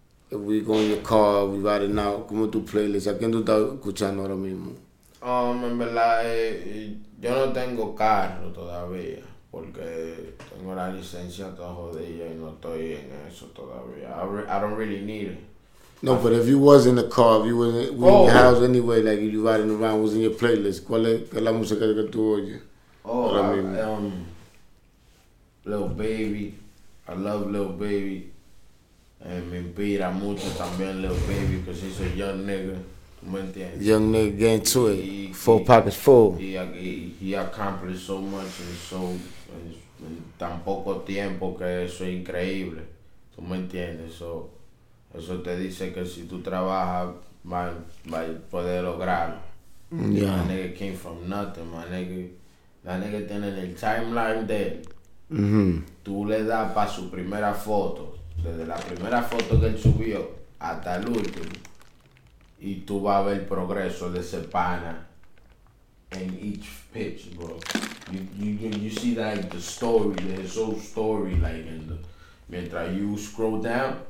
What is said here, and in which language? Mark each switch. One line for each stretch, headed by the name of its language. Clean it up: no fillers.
English: If we go in your car, we ride it now.
Spanish: ¿Cómo tu playlist? ¿A quién tú estás escuchando ahora mismo? En verdad, yo no tengo carro todavía, porque tengo la licencia toda jodida y no estoy en eso todavía.
English: I don't really need it. No, but if you was in the car, if you was in your house anyway, like if you riding around, was in your playlist,
Spanish: ¿cuál es la música que tú oyes?
English: Oh, Lil Baby. I love Lil Baby.
Spanish: Me inspira mucho también Lil Baby,
English: because he's a young nigga. Young nigga getting to it, four pockets full. He accomplished so much in so
Spanish: in tan poco tiempo que eso es increíble. ¿Tú me entiendes? Eso te dice que si tú trabajas va a poder lograrlo.
English: Yeah. That nigga came from nothing, my nigga. That nigga
Spanish: tiene el timeline de él. Mm-hmm. Tú le das para su primera foto, desde la primera foto que él subió hasta el último. Y tú vas a ver el progreso de ese pana en
English: each pitch,
Spanish: bro.
English: You see that, like, the story, the whole story, like, and mientras you scroll down,